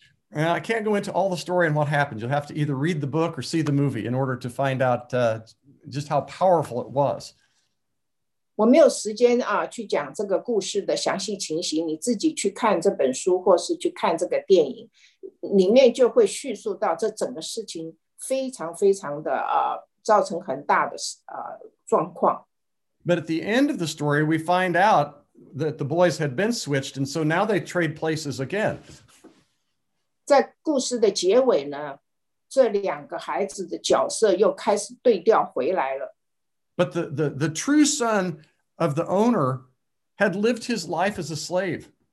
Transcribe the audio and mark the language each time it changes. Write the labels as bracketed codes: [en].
[en] And I can't go into all the story and what happened. You'll have to either read the book or see the movie in order to find out just how powerful it was. [zh] 我没有时间去讲这个故事的详细情形，你自己去看这本书或是去看这个电影，里面就会叙述到这整个事情非常非常的造成很大的状况。 [en] But at the end of the story, we find out that the boys had been switched, and so now they trade places again. [zh] 在故事的结尾呢，这两个孩子的角色又开始对调回来了。 [en] But the true son of the owner had lived his life as a slave.